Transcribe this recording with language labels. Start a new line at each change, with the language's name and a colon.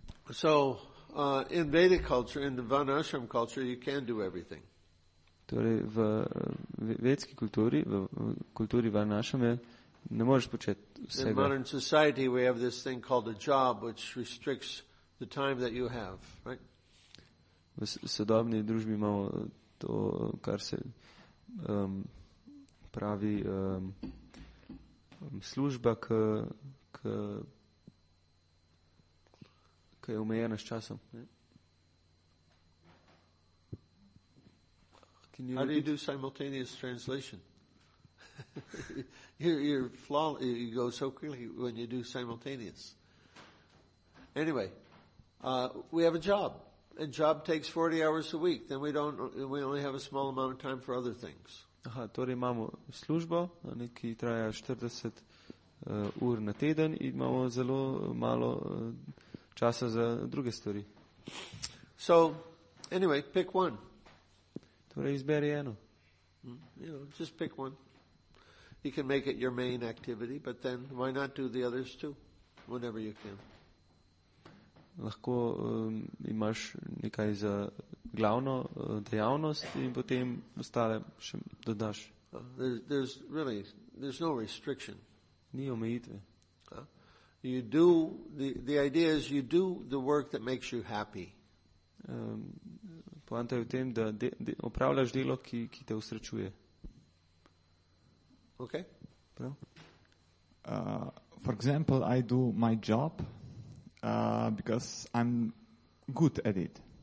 English: So, in Vedic culture, in the Vanashram culture, you can do everything.
Slovenian: Torej, v vedski kulturi, v kulturi Vanashrame, ne moreš početi vsega.
English: In modern society we have this thing called a job which restricts the time that you have, right?
Slovenian: V sodobni družbi imamo to, kar se pravi služba, ki je omejena s časom.
English: Can you How do you do simultaneous translation? you're flawless. You go so quickly when you do simultaneous. Anyway, we have a job, and job takes 40 hours a week. Then we only have a small amount of time for other things.
Slovenian: Aha, torej imamo službo, ne, ki traja 40 ur na teden, in imamo zelo malo časa za druge stvari.
English: So, anyway, pick one.
Slovenian: Torej izberi eno.
English: You know, just pick one. You can make it your main activity, but then why not do the others too, whenever you can.
Slovenian: Lahko imaš nekaj za glavno dejavnost in potem ostale še dodaš.
English: There's no restriction.
Slovenian: Ni omejitve.
English: You do, the idea is you do the work that makes you happy.
Slovenian: Poanta je v tem, da opravljaš delo, ki te usrečuje.
English: Okay. For example, I do my job because I'm good at it.